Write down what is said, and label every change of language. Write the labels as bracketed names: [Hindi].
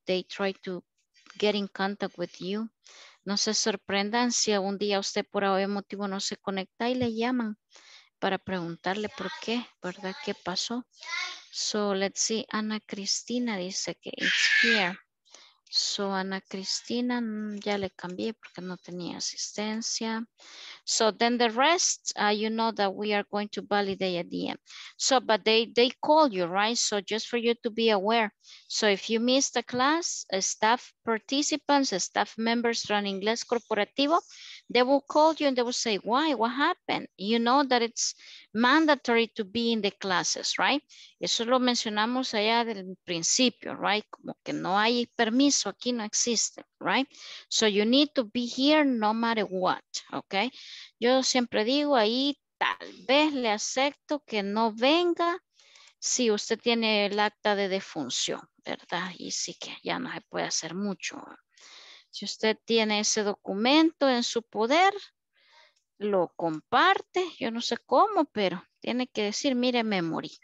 [English] They tried to get in contact with you. [Spanish] No se sorprendan si algún día usted por algún motivo no se conecta y le llaman para preguntarle por qué, ¿verdad? ¿Qué pasó? [English] So, let's see. [Spanish] Ana Cristina dice que [English] it's here. So, [Spanish] Ana Cristina, ya le cambié porque no tenía asistencia. [English] So, then the rest, you know that we are going to validate at the end. So, but they call you, right? So, just for you to be aware. So, if you missed a class, staff participants, staff members from Inglés Corporativo, they will call you and they will say, why? What happened? You know that it's mandatory to be in the classes, right? [Spanish] Eso lo mencionamos allá del principio, [English] right? [Spanish] Como que no hay permiso, aquí no existe, right? [English] So you need to be here no matter what, okay? [Spanish] Yo siempre digo ahí, tal vez le acepto que no venga si usted tiene el acta de defunción, ¿verdad? Y sí que ya no se puede hacer mucho. Si usted tiene ese documento en su poder, lo comparte, yo no sé cómo, pero tiene que decir, mire, me morí.